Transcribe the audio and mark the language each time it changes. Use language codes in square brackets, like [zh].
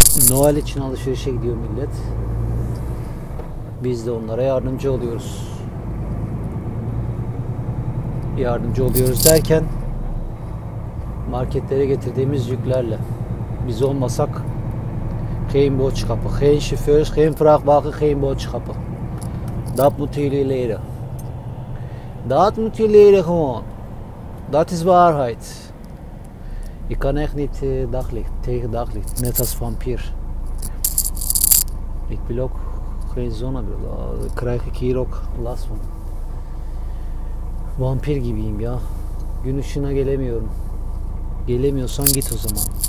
[tr] Noel için alışverişe gidiyor millet. Biz de onlara yardımcı oluyoruz. Yardımcı oluyoruz derken marketlere getirdiğimiz yüklerle. Biz olmasak [nl] geen boodschappen, geen chauffeurs, geen vrachtwagen, geen boodschappen. Dat moeten jullie leren. Dat moeten jullie leren gewoon. Dat is waarheid. Je kan echt niet daglicht, tegen daglicht, net als vampier. Ik wil ook geen zonnebril. Daar krijg ik hier ook last van. [tr] Vampir gibiyim ya. Gün ışığına gelemiyorum. Gelemiyorsan git o zaman.